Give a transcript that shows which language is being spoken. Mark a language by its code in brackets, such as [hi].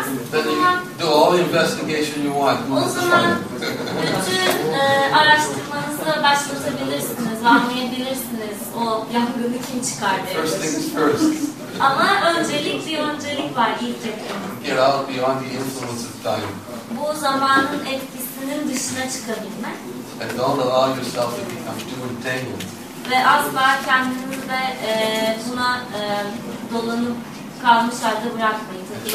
[en] Then you do all the investigation you want. [tr] O zaman bütün araştırmanızı başlatabilirsiniz, anlayabilirsiniz o yangını kim çıkardı. [en] First things first. [tr] Ama öncelik bir öncelik var ilk defa. [en] Get out beyond the influence of time. [tr] Bu zamanın etkisinin dışına çıkabilmek. [en] And don't allow yourself to become too entangled. [tr] Ve asla kendinizi de buna dolanıp kalmış halde bırakmayın.